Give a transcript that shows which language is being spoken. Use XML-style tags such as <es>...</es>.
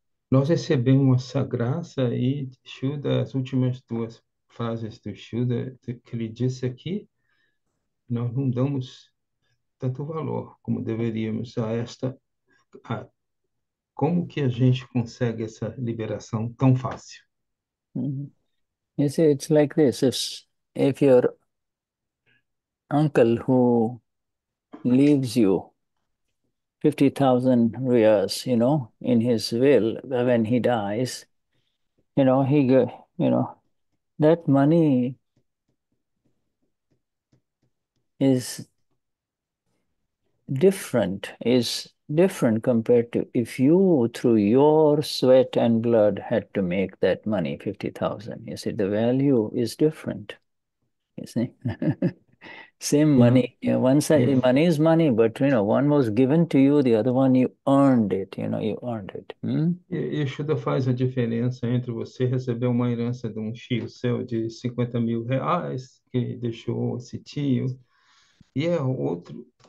<pt>Nós recebemos essa graça aí, Shuddha, as últimas duas frases do Shuddha, que ele disse aqui, nós não damos tanto valor como deveríamos a esta. Como que a gente consegue essa liberação tão fácil?</pt> <en>You see, it's like this. If your uncle who leaves you 50,000 riyas, you know, in his will, when he dies, you know, that money is different, compared to if you, through your sweat and blood, had to make that money, 50,000. You see, the value is different. You see? Same money. You know, one side, money is money, but, you know, one was given to you, the other one, you earned it. You know, you earned it.</en> <pt>Yeshuda faz a diferença entre você receber uma herança de um tio seu de 50 mil reais que deixou esse tio e é outro.</pt>